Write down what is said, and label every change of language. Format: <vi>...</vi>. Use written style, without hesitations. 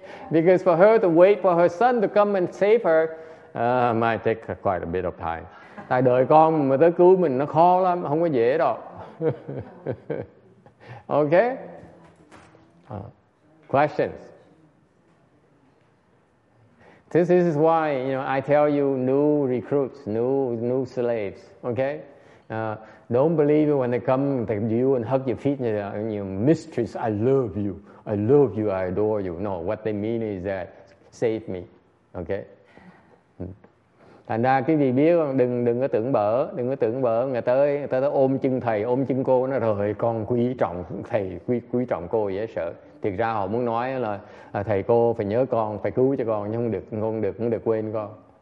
<en>Because for her to wait for her son to come and save her, might take quite a bit of time.</en> <vi>Tại đời con mà tới cứu mình nó khó lắm, không có dễ đâu.</vi> <en>Okay? Questions? This is why, you know, I tell you new recruits, new slaves, okay? Don't believe it when they come to you and hug your feet and your mistress, I love you. I love you, I adore you. No, what they mean is that save me, okay?</en> <vi>Thành ra quý vị biết không? Đừng có tưởng bỡ người ta ôm chân thầy, ôm chân cô, nó rồi con quý trọng thầy, quý trọng cô dễ sợ. Thực ra họ muốn nói là thầy cô phải nhớ con, phải cứu cho con, nhưng không được quên con.</vi>